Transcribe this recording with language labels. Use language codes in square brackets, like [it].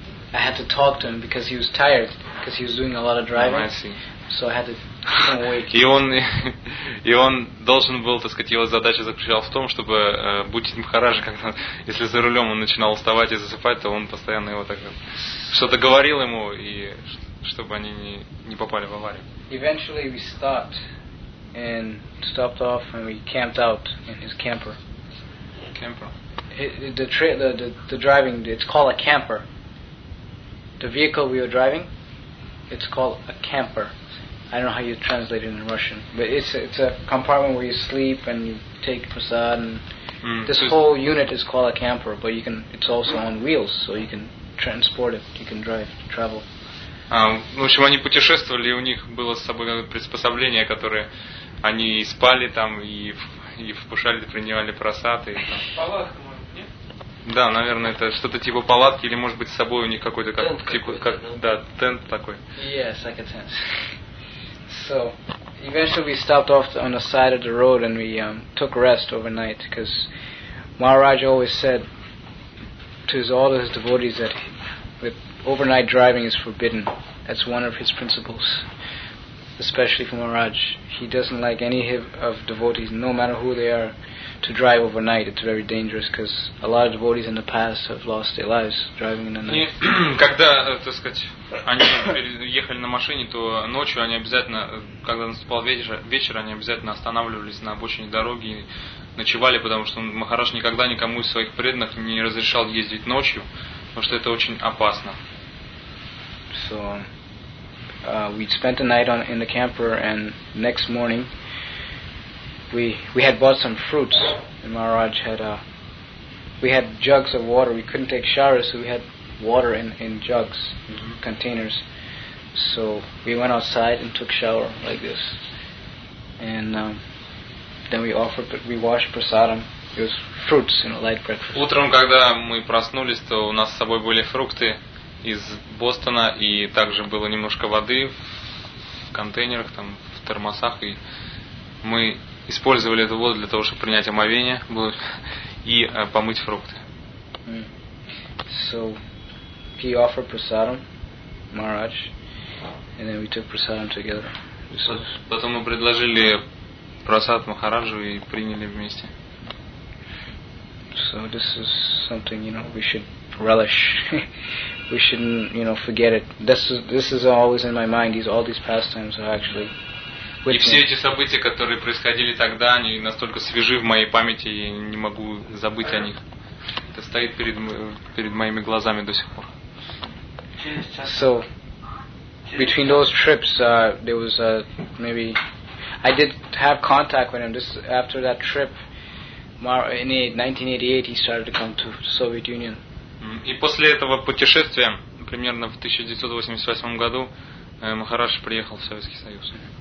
[en] I had to talk to him because he was tired, because he was doing a lot of driving. Oh, I see. So I had to keep him awake. [ru] И он должен был, так сказать, его задача заключалась в том, чтобы будить Махараджа, когда, если за рулем он начинал уставать и засыпать, то он постоянно его так что-то говорил ему и чтобы они не попали в аварию. [en] Eventually we stopped and stopped off and we camped out in his camper. Camper. The driving, it's called a camper. The vehicle we were driving, it's called a camper. I don't know how you translate it in Russian, but it's a compartment where you sleep and you take prasad. And this whole unit is called a camper, but you can, it's also on wheels, so you can transport it, you can drive, travel. [ru] В общем, они путешествовали, и у них было с собой приспособление, которое они и спали там, и в пушале принимали прасад. Палатка, может, нет? Да, наверное, это что-то типа палатки, или, может быть, с собой у них какой-то... Тент какой-то, да? Да, тент такой. [en] Yes, like a tent. So, eventually we stopped off on the side of the road, and we took rest overnight, because Maharaj always said to all his devotees that... Overnight driving is forbidden. That's one of his principles, especially for Maharaj. He doesn't like any of devotees, no matter who they are, to drive overnight. It's very dangerous because a lot of devotees in the past have lost their lives driving in the night. [ru] Когда, так сказать, они ехали на машине, то ночью они обязательно, когда наступал вечер, они обязательно останавливались на обочине дороги и ночевали, потому что Махарадж никогда никому из своих преданных не разрешал ездить ночью. Потому что это очень опасно. [en] So, we spent the night in the camper, and next morning we had bought some fruits, and Maharaj had we had jugs of water. We couldn't take showers, so we had water in jugs, containers. So we went outside and took shower like this. And then we washed prasadam. It was fruits, you know, light breakfast. [ru] Утром, когда мы проснулись, то у нас с собой были фрукты из Бостона, и также было немножко воды в контейнерах, там, в термосах, и мы использовали эту воду для того, чтобы принять омовение и помыть фрукты. [en] So he offered prasadam, Maharaj, and then we took prasadam together. [ru] Потом мы предложили прасад Махараджу и приняли вместе. [en] So this is something, you know, we should relish. We shouldn't, you know, forget it. This is always in my mind. All these pastimes are actually. [ru] И все эти события, которые происходили тогда, они настолько свежи в моей памяти, и не могу забыть о них. Это стоит перед моими глазами до сих пор. [en] So, between those trips, there was maybe I did have contact with him. This after that trip, in 1988, he started to come to the Soviet Union. [ru] И после этого путешествия, примерно в 1988 году, Махарадж приехал в Советский Союз.